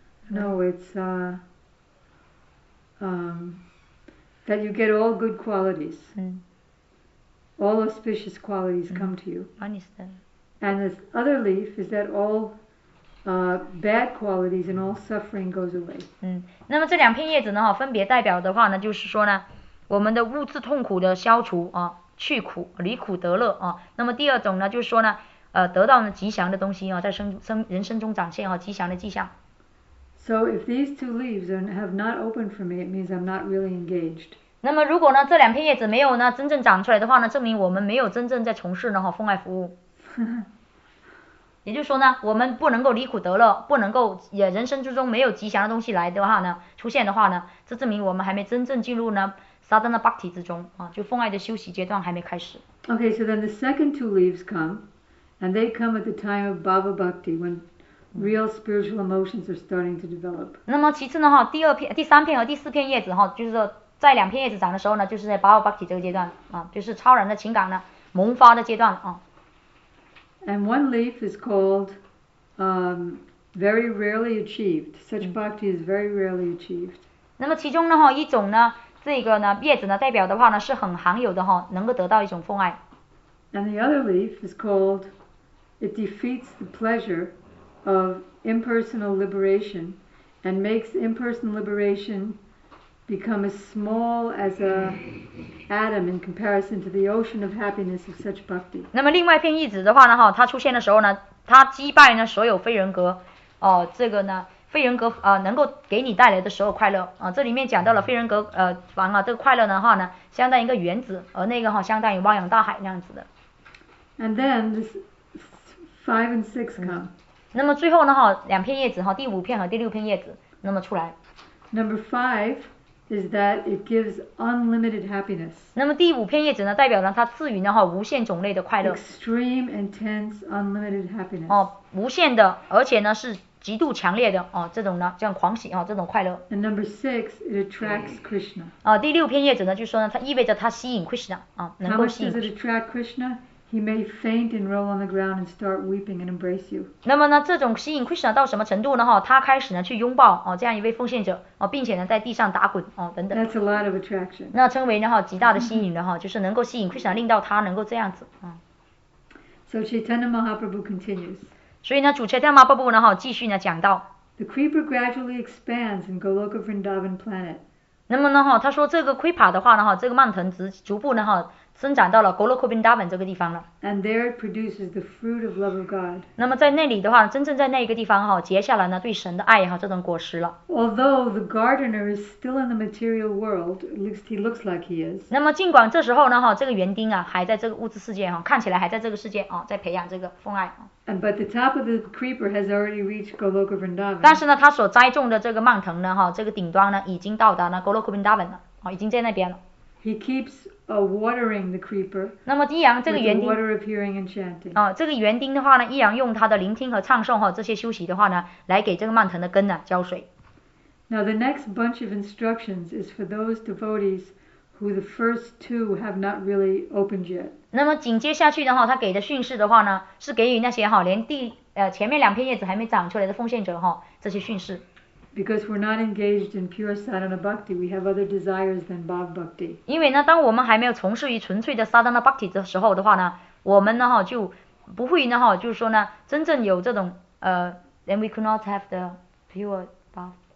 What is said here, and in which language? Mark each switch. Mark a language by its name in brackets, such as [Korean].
[English] No, it's that you get all good qualities, all auspicious qualities come to you. Understand. And the other leaf is that all bad qualities and all suffering goes away. [Chinese] 嗯，那么这两片叶子呢，分别代表的话呢，就是说呢，我们的物质痛苦的消除啊，去苦离苦得乐啊。那么第二种呢，就是说呢，得到呢吉祥的东西啊，在人生中展现啊吉祥的迹象。 [English] So if these two leaves have not opened for me, it means I'm not really engaged. [Chinese] 那么如果呢这两片叶子没有呢真正长出来的话呢，证明我们没有真正在从事呢奉爱服务。也就是说呢，我们不能够离苦得乐，不能够也人生之中没有吉祥的东西来的话呢，出现的话呢，这证明我们还没真正进入呢 Sadhana Bhakti 之中啊，就奉爱的休息阶段还没开始。 [English] Okay, so then the second two leaves come, and they come at the time of Bhava Bhakti when. Real spiritual emotions are starting to develop. [Chinese] 那么其次呢哈，第二片、第三片和第四片叶子哈，就是在两片叶子长的时候呢，就是在 Bhava Bhakti 这个阶段啊，就是超然的情感呢萌发的阶段啊。 [English] And one leaf is called very rarely achieved. Such bhakti is very rarely achieved. [Chinese] 那么其中呢哈，一种呢这个呢叶子呢代表的话呢是很罕有的哈，能够得到一种奉爱。 [English] And the other leaf is called it defeats the pleasure. Of impersonal liberation, and makes impersonal liberation become as small as a atom in comparison to the ocean of happiness of such bhakti. [Chinese] 那么另外一片叶子的话呢，哈，它出现的时候呢，它击败呢所有非人格，这个呢，非人格能够给你带来的所有快乐，这里面讲到了非人格完了这个快乐的话呢，相当于一个原子，而那个哈相当于汪洋大海那样子的。 [English] And then this five and six come. [Chinese] 那么最后呢哈，两片叶子哈，第五片和第六片叶子，那么出来。 [English] Number five is that it gives unlimited happiness. [Chinese] 那么第五片叶子呢，代表呢它赐予呢哈无限种类的快乐。 [English] Extreme, intense, unlimited happiness. [Chinese] 哦，无限的，而且呢是极度强烈的哦，这种呢叫狂喜哦，这种快乐。 [English] And number six, it attracts Krishna. [Chinese] 哦，第六片叶子呢，就说呢它意味着它吸引 Krishna 啊，能够吸引。 [English] How much does it attract Krishna? He may faint and roll on the ground and start weeping and embrace you. [Chinese] 那么呢，这种吸引 Krishna 到什么程度呢？哈，他开始呢去拥抱哦这样一位奉献者哦，并且呢在地上打滚哦等等。 [English] That's a lot of attraction. [Chinese] 那称为呢哈极大的吸引的哈，就是能够吸引 Krishna 令到他能够这样子啊。 [English] So Chaitanya Mahaprabhu continues. [Chinese] 所以呢，主 Chaitanya Mahaprabhu 呢哈继续呢讲到。 [English] The creeper gradually expands in Goloka Vrindavan planet. [Chinese] 那么呢哈，他说这个 creeper 的话呢哈，这个蔓藤逐步呢哈。生长到了 Goloka Vrindavan 这个地方了。 [English] And there it produces the fruit of love of God. [Chinese] 那么在那里的话，真正在那一个地方哈，结下了呢对神的爱哈这种果实了。 [English] Although the gardener is still in the material world, at least he looks like he is. [Chinese] 那么尽管这时候呢哈，这个园丁啊还在这个物质世界哈，看起来还在这个世界啊，在培养这个奉爱。 [English] And but the top of the creeper has already reached Goloka Vrindavan. [Chinese] 但是呢，他所栽种的这个蔓藤呢哈，这个顶端呢已经到达了 Goloka Vrindavan 了，已经在那边了。 [English] He keeps watering the creeper. [Chinese] 那么依然这个园丁 [English] with the water of hearing and chanting. [Chinese] 啊，这个园丁的话呢，依然用他的聆听和唱诵哈，这些休息的话呢，来给这个蔓藤的根呢浇水。 [English] Now the next bunch of instructions is for those devotees who the first two have not really opened yet. [Chinese] 那么紧接下去的话，他给的训示的话呢，是给予那些哈连第前面两片叶子还没长出来的奉献者哈，这些训示。 [English] Because we're not engaged in pure sadhana bhakti, we have other desires than bhava bhakti. [Chinese] 因为呢，当我们还没有从事于纯粹的 sadhana bhakti 的时候的话呢，我们呢哈就不会呢哈，就是说呢，真正有这种 [English] then we could not have the pure bhava.